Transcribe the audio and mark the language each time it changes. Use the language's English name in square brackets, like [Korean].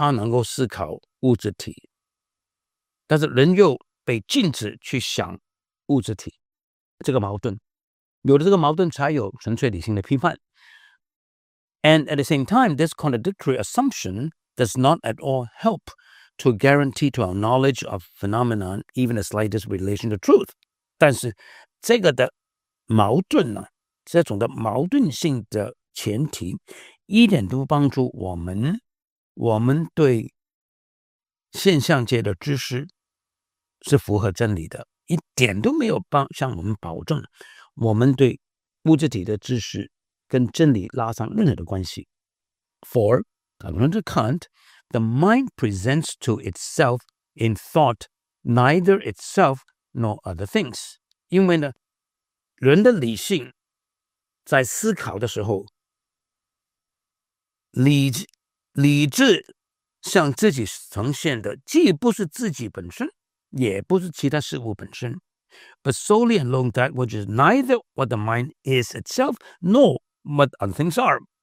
[Chinese] 人宣称他能够思考物质体, 但是人又被禁止去想物质体, 这个矛盾, 有了这个矛盾才有纯粹理性的批判。 [English] And at the same time, this contradictory assumption does not at all help to guarantee to our knowledge of phenomenon even the slightest relation to truth. [Chinese] 但是这个的 矛盾呢, 这种的矛盾性的前提, 一点都不帮助我们, 我们对现象界的知识, 是符合真理的, 一点都没有帮向我们保证, 我们对物质体的知识, 跟真理拉上任何的关系。 [English] For, according to Kant, the mind presents to itself in thought neither itself nor other things. [Chinese] 因为呢, 人的理性在思考的时候，理智向自己呈现的既不是自己本身，也不是其他事物本身， [English] but solely and alone that which is neither what the mind is itself nor what other things are.